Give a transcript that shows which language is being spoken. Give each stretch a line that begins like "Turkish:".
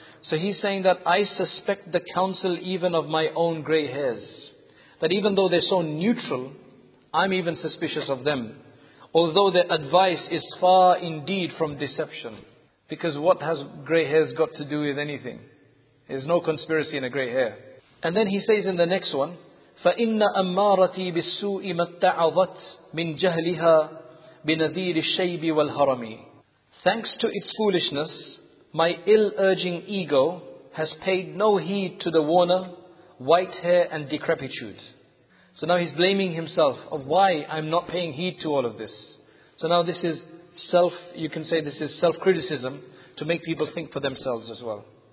English: So he's saying that I suspect the counsel even of my own grey hairs. That even though they're so neutral, I'm even suspicious of them. Although their advice is far indeed from deception. Because what has grey hairs got to do with anything? There's no conspiracy in a grey hair. And then he says in the next one,
Arabic: فَإِنَّ أَمَّارَتِي بِالسُّوءِ مَتَّعَظَتْ مِنْ جَهْلِهَا بِنَذِيرِ الشَّيْبِ وَالْهَرَمِ.
English: Thanks to its foolishness, my ill-urging ego has paid no heed to the warner, white hair and decrepitude. So now he's blaming himself of why I'm not paying heed to all of this. So now this is self-criticism to make people think for themselves as well.